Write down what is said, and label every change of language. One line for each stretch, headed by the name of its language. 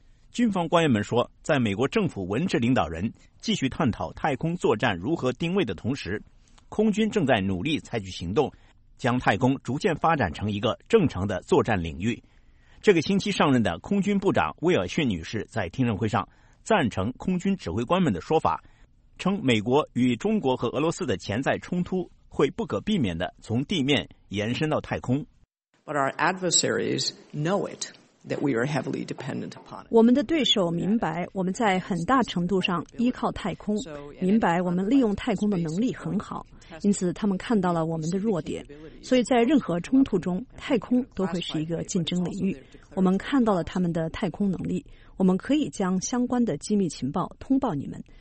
Chinese: 军方官员们说，在美国政府文职领导人继续探讨太空作战如何定位的同时，空军正在努力采取行动，将太空逐渐发展成一个正常的作战领域。这个星期上任的空军部长威尔逊女士在听证会上赞成空军指挥官们的说法，称美国与中国和俄罗斯的潜在冲突会不可避免地从地面延伸到太空。
English: But our adversaries know it, that we are heavily dependent upon it.
Chinese: 我们的对手明白我们在很大程度上依靠太空，明白我们利用太空的能力很好，因此他们看到了我们的弱点。所以在任何冲突中，太空都会是一个竞争领域。我们看到了他们的太空能力，我们可以将相关的机密情报通报你们。